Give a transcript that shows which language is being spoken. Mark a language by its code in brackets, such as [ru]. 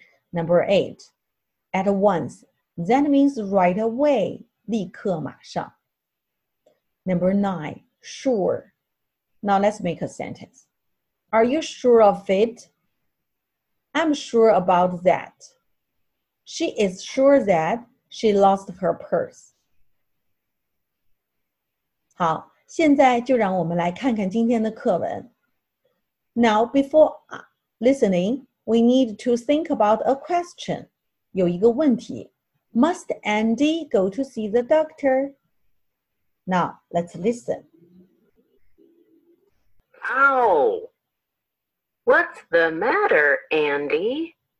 [en] Number eight, at once, that means right away, [zh] 立刻马上。 [en] Number nine, sure. Now let's make a sentence. Are you sure of it? I'm sure about that. She is sure that she lost her purse. [zh] 好，现在就让我们来看看今天的课文。 [en] Now, before listening, we need to think about a question. [zh] 有一个问题。 [en] Must Andy go to see the doctor? Now, let's listen. Oh, what's the matter, Andy?